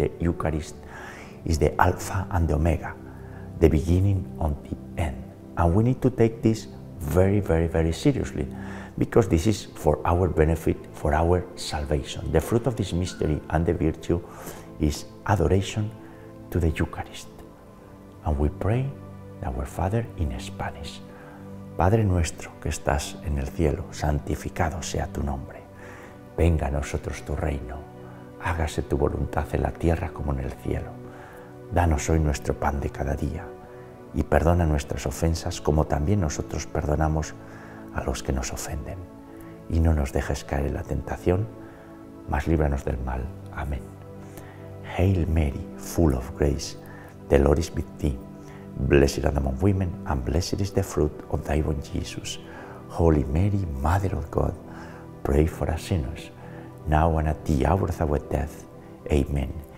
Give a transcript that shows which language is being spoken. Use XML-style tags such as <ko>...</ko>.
<en>The Eucharist is the Alpha and the Omega, the beginning and the end. And we need to take this very, very, very seriously, because this is for our benefit, for our salvation. The fruit of this mystery and the virtue is adoration to the Eucharist. And we pray our Father in Spanish.</en> <es>Padre nuestro que estás en el cielo, santificado sea tu nombre. Venga a nosotros tu reino. Hágase tu voluntad en la tierra como en el cielo. Danos hoy nuestro pan de cada día. Y perdona nuestras ofensas como también nosotros perdonamos a los que nos ofenden. Y no nos dejes caer en la tentación, mas líbranos del mal. Amén.</es> <en>Hail Mary, full of grace, the Lord is with thee. Blessed art thou among women, and blessed is the fruit of thy womb, Jesus. Holy Mary, Mother of God, pray for us sinners, now and at the hour of our death. Amen.</en>